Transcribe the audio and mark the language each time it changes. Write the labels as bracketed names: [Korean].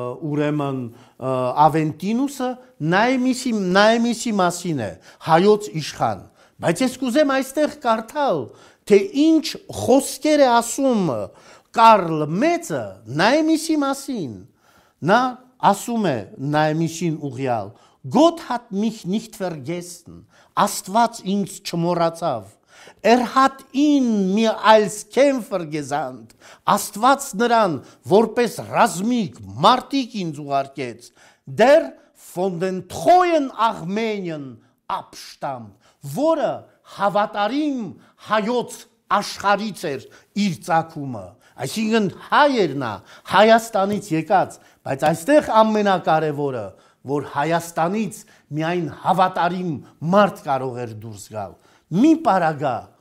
[Armenian] ուրեմն Ավենտինուսը, նայմիսի մասին է, հայոց իշխան, բայց ես կուզեմ այստեղ կարդալ, թե ինչ խոսքեր է ասում Կարլ Մեծը Նայմիսի մասին։ Նա ասում է Նայմիսին ուղյալ. [German] «Gott hat mich nicht vergessen. [Armenian] Աստված ինձ չմոռացավ. [German] Hat ihn mir als Kämpfer gesandt. [Armenian] Աստված նրան որպես ռազմիկ մարտիկ ինձ ուղարկեց. [German] Der von den treuen Armenien abstammt. [Armenian] Wurde հավատարիմ հայոց աշխարից էր իր ծագումը, այսինքն հայ էր նա, Հայաստանից եկած, բայց այստեղ ամենակարևորը, որ Հայաստանից միայն հավատարիմ մարդ կարող էր դուրս գալ։ Մի պարագա,